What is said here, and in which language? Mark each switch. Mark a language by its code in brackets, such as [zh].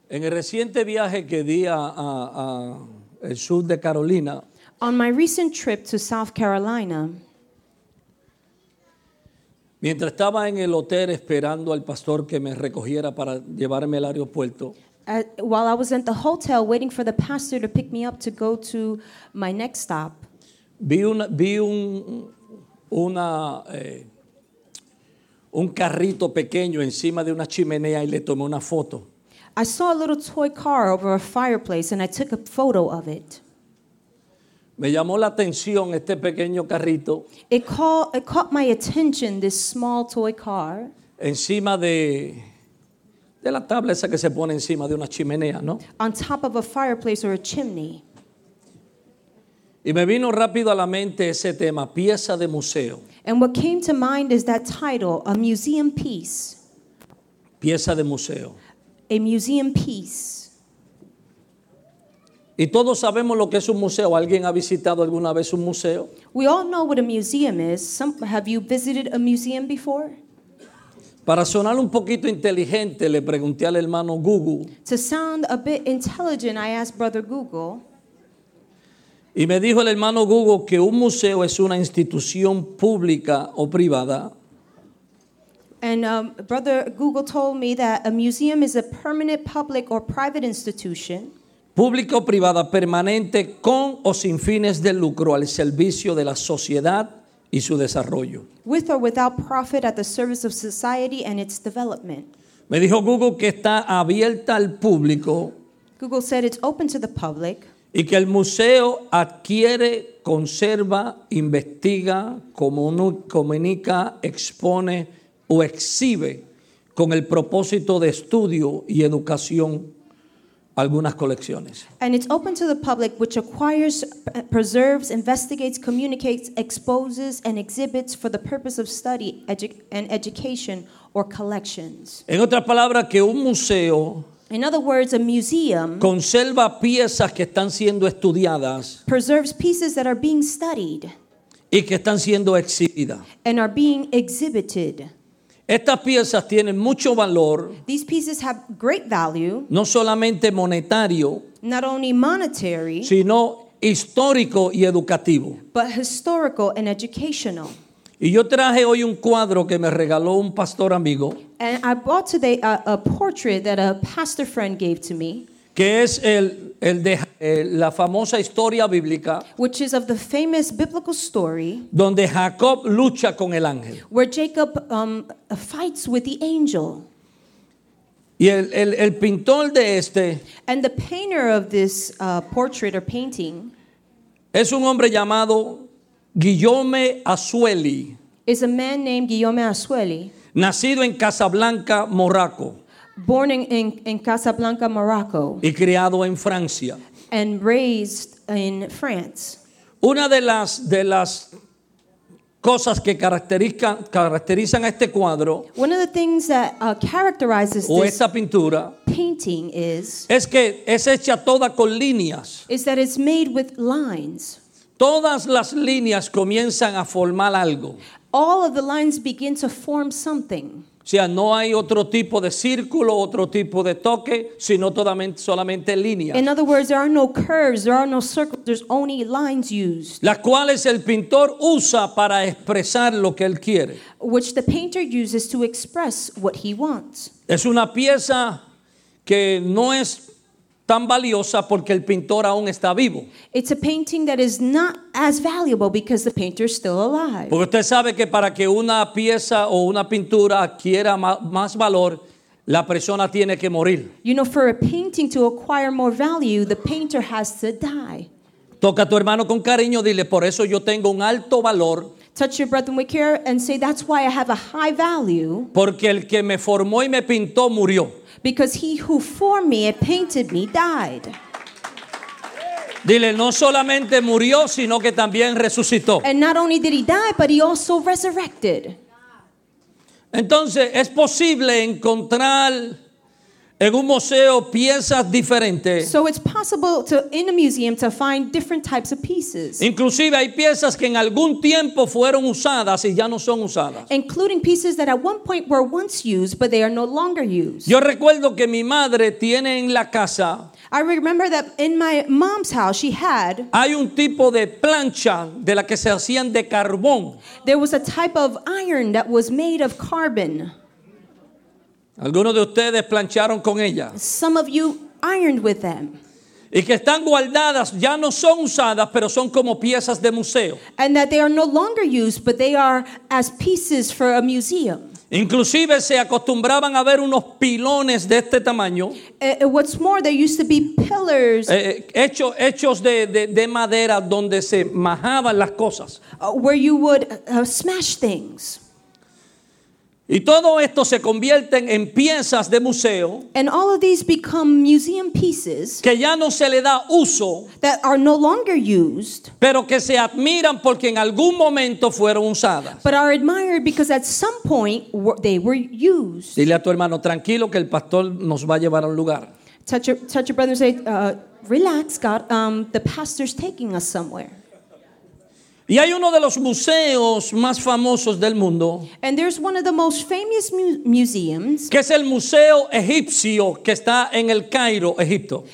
[es] En el reciente viaje que di a el sur de Carolina. [en] On my recent trip to South Carolina. [es] Mientras estaba en el hotel esperando al pastor que me recogiera para llevarme al aeropuerto. [en] While I was at the hotel waiting for the pastor to pick me up to go to my next stop. [es] Vi un carrito pequeño encima de una chimenea y le tomé una foto. [en] I saw a little toy car over a fireplace and I took a photo of it. [es] Me llamó la atención este pequeño carrito. [en] It caught my attention, this small toy car. [es] Encima de la tabla esa que se pone encima de una chimenea, ¿no? [en] On top of a fireplace or a chimney. [es] Y me vino rápido a la mente ese tema, pieza de museo. [en] And what came to mind is that title, a museum piece. [es] Pieza de museo. [en] A museum piece. [es] Y todos sabemos lo que es un museo. ¿Alguien ha visitado alguna vez un museo? [en] We all know what a museum is. Have you visited a museum before? [es] Para sonar un poquito inteligente, le pregunté al hermano Google. [en] To sound a bit intelligent, I asked Brother Google. [es] Y me dijo el hermano Google que un museo es una institución pública o privada. [en] And Brother Google told me that a museum is a permanent public or private institution. [es] Pública o privada, permanente, con o sin fines de lucro, al servicio de la sociedad y su desarrollo. [en] With or without profit, at the service of society and its development. [es] Me dijo Google que está abierta al público. [en] Google said it's open to the public. [es] Y que el museo adquiere, conserva, investiga, comunica, expone o exhibe con el propósito de estudio y educación algunas colecciones. [en] And it's open to the public, which acquires, preserves, investigates, communicates, exposes, and exhibits for the purpose of study and education or collections. [es] En otras palabras, que un museo. [en] In other words, a museum [es] conserva piezas que están siendo estudiadas, [en] preserves pieces that are being studied, [es] y que están siendo exhibidas, [en] and are being exhibited. [es] Estas piezas tienen mucho valor, [en] these pieces have great value, [es] no solamente monetario, [en] not only monetary, [es] sino histórico y educativo, [en] but historical and educational. [es] Y yo traje hoy un cuadro que me regaló un pastor amigo. [en] And I bought today a portrait that a pastor friend gave to me. [es] Que es la famosa historia bíblica. [en] Which is of the famous biblical story. [es] Donde Jacob lucha con el ángel. [en] Where Jacob fights with the angel. [es] Y el pintor de este. [en] And the painter of this portrait or painting. [es] Es un hombre llamado Guillaume Asueli. [en] Is a man named Guillaume Asueli. [es] Nacido en Casablanca, Morocco. [en] Born in Casablanca, Morocco. [es] Y criado en Francia. [en] And raised in France. [es] Una de las cosas que caracterizan a este cuadro. [en] One of the things that characterizes this. [es] O esta pintura. [en] Painting is. [es] Es que es hecha toda con líneas. [en] Is that it's made with lines. [es] Todas las líneas comienzan a formar algo. [en] All of the lines begin to form something. [es] O sea, no hay otro tipo de círculo, otro tipo de toque, sino solamente líneas. [en] In other words, there are no curves, there are no circles, there's only lines used. [es] Las cuales el pintor usa para expresar lo que él quiere. [en] Which the painter uses to express what he wants. [es] Es una pieza que no es tan valiosa porque el pintor aún está vivo. [en] It's a painting that is not as valuable because the painter is still alive. [es] Porque usted sabe que para que una pieza o una pintura adquiera más valor, la persona tiene que morir. [en] You know, for a painting to acquire more value, the painter has to die. [es] Toca a tu hermano con cariño, dile, por eso yo tengo un alto valor. [en] Touch your brethren with care and say, that's why I have a high value. [es] Porque el que me formó y me pintó murió. [en] Because he who formed me and painted me died. [es] Dile, no solamente murió, sino que también resucitó. [en] And not only did he die, but he also resurrected. [es] Entonces, es posible encontrar En un museo, piezas diferentes. [en] So it's possible to, in a museum, to find different types of pieces. [es] Inclusive hay piezas que en algún tiempo fueron usadas y ya no son usadas. [en] Including pieces that at one point were once used, but they are no longer used. [es] Yo recuerdo que mi madre tiene en la casa. [en] I remember that in my mom's house she had. [es] Hay un tipo de plancha de la que se hacían de carbón. [en] There was a type of iron that was made of carbon. [es] Algunos de ustedes plancharon con ella. [en] Some of you ironed with them. [es] Y que están guardadas, ya no son usadas, pero son como piezas de museo. [en] And that they are no longer used, but they are as pieces for a museum. [es] Inclusive se acostumbraban a ver unos pilones de este tamaño. [en] What's more, there used to be pillars. [es] Hechos de madera donde se majaban las cosas. [en] Where you would smash things. [es] Y todo esto se convierte en piezas de museo. [en] And all of these become museum pieces. [es] Que ya no se le da uso. [en] That are no longer used. [es] Pero que se admiran porque en algún momento fueron usadas. [en] But are admired because at some point they were used. [es] Dile a tu hermano, tranquilo, que el pastor nos va a llevar a un lugar. [en] Touch your brother and say, relax, God, the pastor's taking us somewhere. [es] Y hay uno de los museos más famosos del mundo. [en] And there's one of the most famous museums. [es] Que es el Museo Egipcio, que está en el Cairo, Egipto.